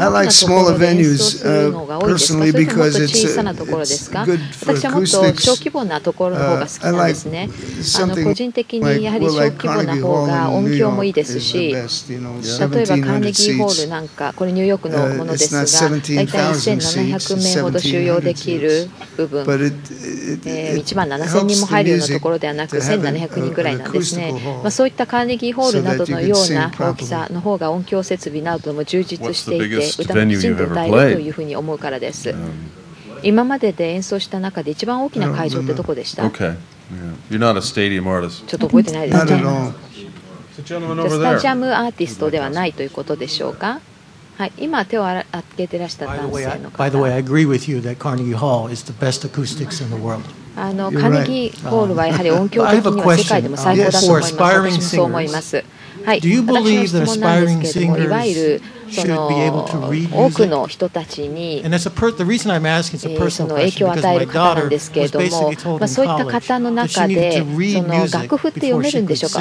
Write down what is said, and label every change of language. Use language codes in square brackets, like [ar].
[en] I like smaller venues personally because it's good for acoustics. I like something like Carnegie Hall in New York. It's the best, you know, 1700 seats. It's not 17,000 seats, it's 1,700 seats. But it, it, it, [ja] 1万7000人も入るようなところではなく1700人ぐらいなんですね、まあ、そういったカーネギーホールなどのような大きさの方が音響設備なども充実していて歌もきちんと歌えるというふうに思うからです、今までで演奏した中で一番大きな会場ってどこでした？ [en] Okay. You're not a stadium artist. [ja] ちょっと覚えてないですね。スタジアムアーティストではないということでしょうか？はい、今手を挙げてらした男性の方。 [en] By the way, I agree with you that Carnegie Hall is the best acoustics in the world. [ja] あの、カーネギーホールはやはり音響的には世界でも最高だと思います。私もそう思います。私もそう思います。はい、私の質問なんですけれども、いわゆるその多くの人たちに、その影響を与える方なんですけれども、まあ、そういった方の中で、その楽譜って読めるんでしょうか。